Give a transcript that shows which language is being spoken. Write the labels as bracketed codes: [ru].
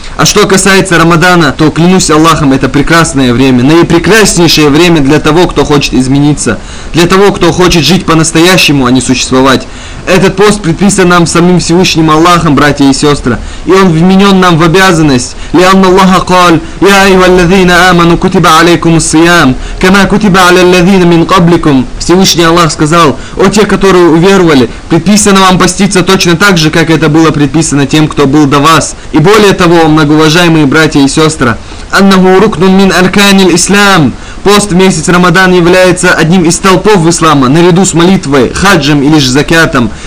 [ru] А что касается Рамадана, то клянусь Аллахом, это прекрасное время. Наипрекраснейшее время для того, кто хочет измениться. Для того, кто хочет жить по-настоящему, а не существовать. Этот пост предписан нам самим Всевышним Аллахом, братья и сестры. И он вменен нам в обязанность. [ar] «Лианна Аллаха каль, я айва аллазина». آمنوا كتب عليكم الصيام كما كتب على الذين من قبلكم. [ru] Всевышний Аллах сказал: «О те, которые уверовали, предписано вам поститься точно так же, как это было предписано тем, кто был до вас». И более того, многоуважаемые братья и сестры, [ar] «Аннаху рукнун мин арканил ислам». [ru] Пост в месяц Рамадан является одним из столпов ислама, наряду с молитвой, хаджем или же закятом.